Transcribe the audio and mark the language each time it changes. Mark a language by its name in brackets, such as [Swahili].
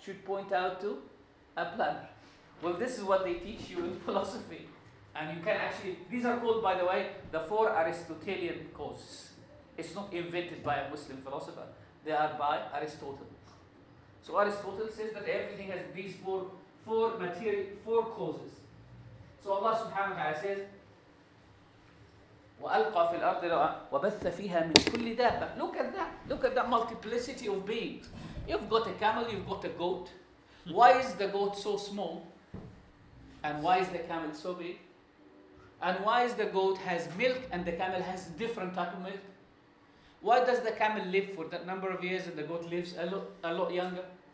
[English] Should point out to a planner. Well, this is what they teach you in philosophy. And you can actually, these are called, by the way, the four Aristotelian causes. It's not invented by a Muslim philosopher. They are by Aristotle. So Aristotle says that everything has these four material, four causes. So Allah subhanahu wa ta'ala says, [Arabic] وَأَلْقَى فِي الْأَرْضِ وَبَثَّ فِيهَا مِنْ كُلِّ دَابَّةٍ. [English] Look at that. Look at that multiplicity of beings. You've got a camel, you've got a goat. Why is the goat so small? And why is the camel so big? And why is the goat has milk and the camel has different type of milk? Why does the camel live for that number of years and the goat lives a lot younger?